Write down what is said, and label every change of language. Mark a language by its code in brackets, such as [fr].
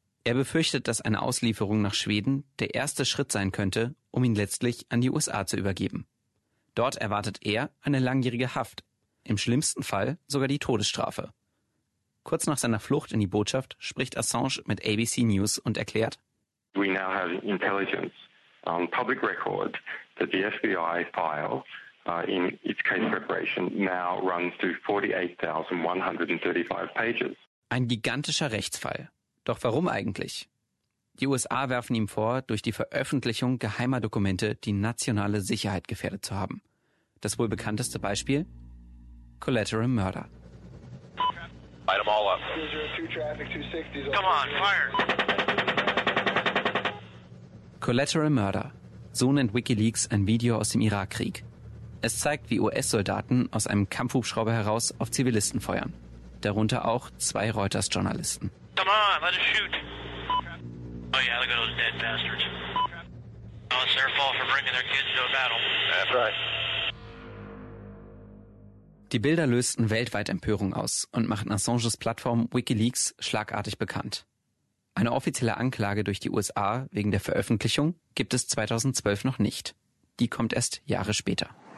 [de] Er befürchtet, dass eine Auslieferung nach Schweden der erste Schritt sein könnte, um ihn letztlich an die USA zu übergeben. Dort erwartet er eine langjährige Haft, im schlimmsten Fall sogar die Todesstrafe. Kurz nach seiner Flucht in die Botschaft spricht Assange mit ABC News und erklärt: [en] We now have intelligence on public record that the FBI file in its case preparation now runs to 48,135 pages. [de] Ein gigantischer Rechtsfall. Doch warum eigentlich? Die USA werfen ihm vor, durch die Veröffentlichung geheimer Dokumente die nationale Sicherheit gefährdet zu haben. Das wohl bekannteste Beispiel? [en] Collateral Murder. Light them all up. Come on, fire! Collateral Murder. [de] So nennt WikiLeaks ein Video aus dem Irakkrieg. Es zeigt, wie US-Soldaten aus einem Kampfhubschrauber heraus auf Zivilisten feuern. Darunter auch 2 Reuters-Journalisten. [en] Come on, let us shoot! Oh yeah, look at those dead bastards. Oh, it's their fault for bringing their kids to a battle. That's right. [de] Die Bilder lösten weltweit Empörung aus und machten Assanges Plattform WikiLeaks schlagartig bekannt. Eine offizielle Anklage durch die USA wegen der Veröffentlichung gibt es 2012 noch nicht. Die kommt erst Jahre später.